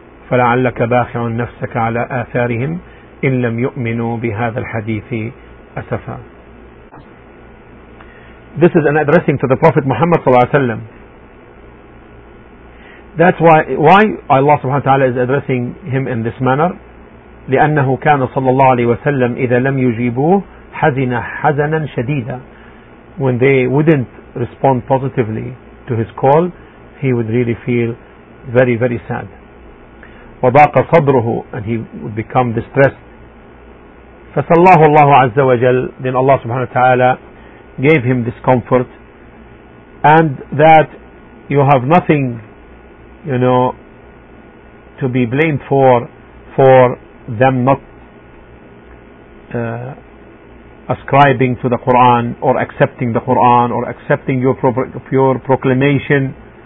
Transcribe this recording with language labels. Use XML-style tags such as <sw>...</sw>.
<ar>فَلَعَلَّكَ بَاخِعٌ نَفْسَكَ عَلَىٰ آثَارِهِمْ إِنْ لَمْ يُؤْمِنُوا بِهَذَا الْحَدِيثِ أَسَفًا.</ar> <en>This is an addressing to the Prophet Muhammad sallallahu alaihi wasallam. That's why Allah subhanahu wa ta'ala is addressing him in this manner.</en> <ar>لأنه كان صلى الله عليه وسلم إذا لم يجيبوه حزن حزنا شديدا.</ar> <en>When they wouldn't respond positively to his call, he would really feel very, very sad.</en> <ar>وضاق صدره,</ar> <en>and he would become distressed.</en> <ar>فسلاه الله عز وجل,</ar> <en>then Allah subhanahu wa ta'ala gave him this comfort, and that you have nothing, you know, to be blamed for them not ascribing to the Quran, or accepting the Quran, or accepting your pure proclamation.</en>